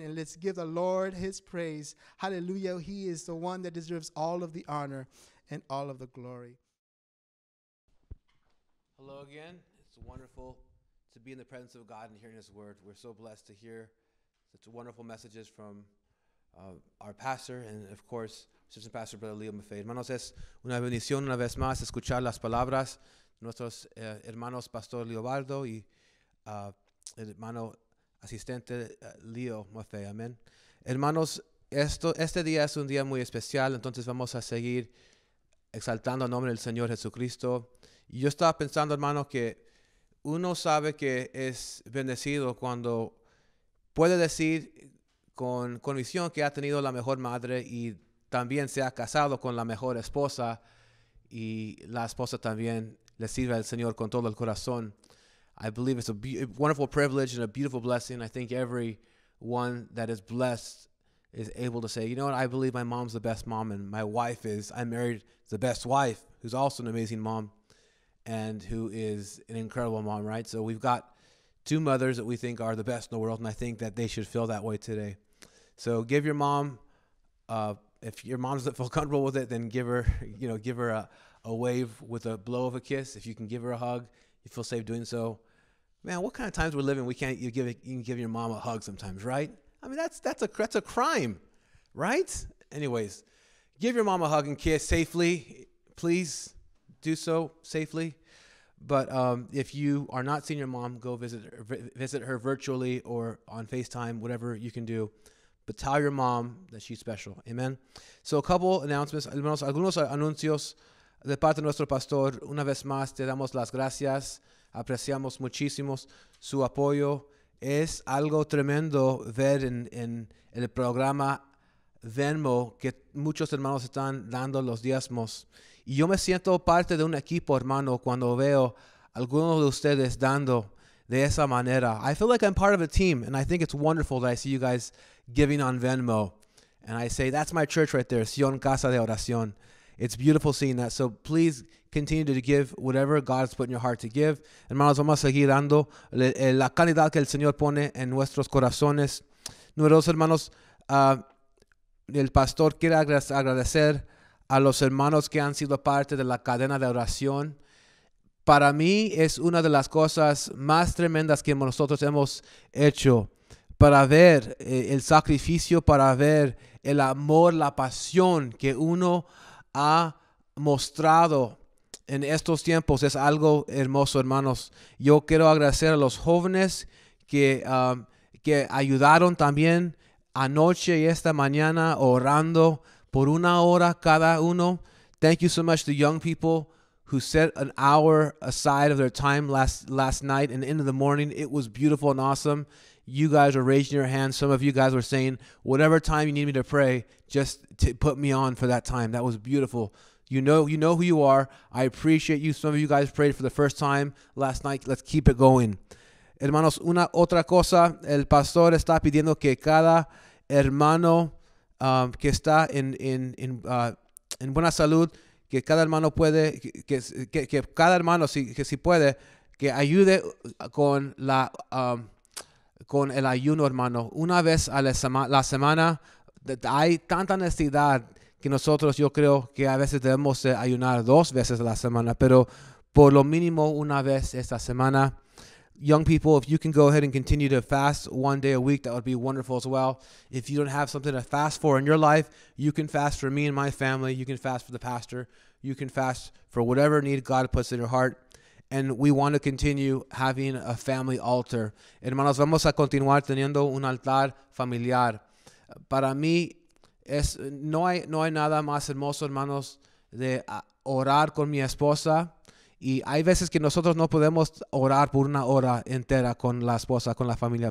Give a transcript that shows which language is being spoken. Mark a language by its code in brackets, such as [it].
[en] And let's give the Lord his praise. Hallelujah. He is the one that deserves all of the honor and all of the glory. Hello again. It's wonderful to be in the presence of God and hearing his word. We're so blessed to hear such wonderful messages from our pastor and, of course, Assistant Pastor Brother Leo Maffei. [es] Hermanos, es una bendición una vez más escuchar las palabras de nuestros hermanos Pastor Leobardo y hermano Asistente Leo Maffei, amén. Hermanos, este día es un día muy especial, entonces vamos a seguir exaltando el nombre del Señor Jesucristo. Y yo estaba pensando, hermano, que uno sabe que es bendecido cuando puede decir con convicción que ha tenido la mejor madre y también se ha casado con la mejor esposa y la esposa también le sirve al Señor con todo el corazón. [en] I believe it's a wonderful privilege and a beautiful blessing. I think every one that is blessed is able to say, you know what, I believe my mom's the best mom and my wife is, I married the best wife, who's also an amazing mom and who is an incredible mom, right? So we've got two mothers that we think are the best in the world, and I think that they should feel that way today. So give your mom, if your mom doesn't feel comfortable with it, then give her, you know, give her a wave with a blow of a kiss. If you can give her a hug, you feel safe doing so. Man, what kind of times we're living? You can give your mom a hug sometimes, right? I mean, that's a crime, right? Anyways, give your mom a hug and kiss safely. Please do so safely. But if you are not seeing your mom, go visit her virtually or on FaceTime, whatever you can do. But tell your mom that she's special. Amen. So a couple announcements. [es] Hermanos, algunos anuncios de parte de nuestro pastor. Una vez más, te damos las gracias. Apreciamos muchísimo su apoyo. Es algo tremendo ver en el programa Venmo que muchos hermanos están dando los diezmos. Y yo me siento parte de un equipo, hermano, cuando veo algunos de ustedes dando de esa manera. [en] I feel like I'm part of a team, and I think it's wonderful that I see you guys giving on Venmo. And I say, that's my church right there, Sion Casa de Oración. It's beautiful seeing that. So please continue to give whatever God has put in your heart to give. [es] Hermanos, vamos a seguir dando la calidad que el Señor pone en nuestros corazones. Número dos, hermanos, el pastor quiere agradecer a los hermanos que han sido parte de la cadena de oración. Para mí es una de las cosas más tremendas que nosotros hemos hecho para ver el sacrificio, para ver el amor, la pasión que uno ha mostrado en estos tiempos. Es algo hermoso, hermanos. Yo quiero agradecer a los jóvenes que ayudaron también anoche y esta mañana orando por una hora cada uno. [en] Thank you so much to young people who set an hour aside of their time last night and into the morning. It was beautiful and awesome. You guys were raising your hands. Some of you guys were saying, whatever time you need me to pray, just to put me on for that time. That was beautiful. You know who you are. I appreciate you. Some of you guys prayed for the first time last night. Let's keep it going. [es] Hermanos, una otra cosa. El pastor está pidiendo que cada hermano que está en buena salud, que cada hermano puede, que cada hermano, si puede, que ayude con la con el ayuno, hermano. Una vez a la semana, hay tanta necesidad que nosotros, yo creo que a veces debemos ayunar dos veces a la semana, pero por lo mínimo una vez esta semana. [en] Young people, if you can go ahead and continue to fast one day a week, that would be wonderful as well. If you don't have something to fast for in your life, you can fast for me and my family. You can fast for the pastor. You can fast for whatever need God puts in your heart. And we want to continue having a family altar. [es] Hermanos, vamos a continuar teniendo un altar familiar. Para mí, no hay nada más hermoso, hermanos, de orar con mi esposa. Y hay veces que nosotros no podemos orar por una hora entera con la esposa, con la familia.